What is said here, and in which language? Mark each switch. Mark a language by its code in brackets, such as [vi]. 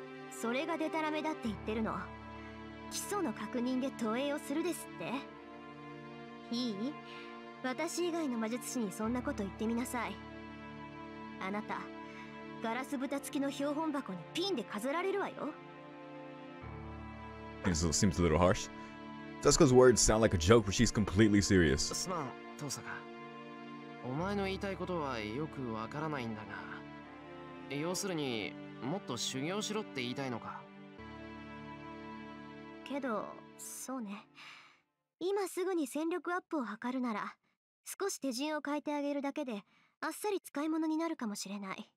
[ja] それがデタラメだって言ってるの。基礎の確認で投影をするですって。いい、私以外の魔術師にそんなこと言ってみなさい。あなた、ガラス蓋付きの標本箱にピンで飾られるわよ。 [en] This seems a little harsh. Tosca's words sound like a joke, but she's completely serious. [ja] すまん、トサカ。お前の言いたいことはよくわからないんだが、要するにもっと修行しろって言いたいのか。けど、そうね。今すぐに戦力アップを図るなら、少し手順を変えてあげるだけで、あっさり使い物になるかもしれない。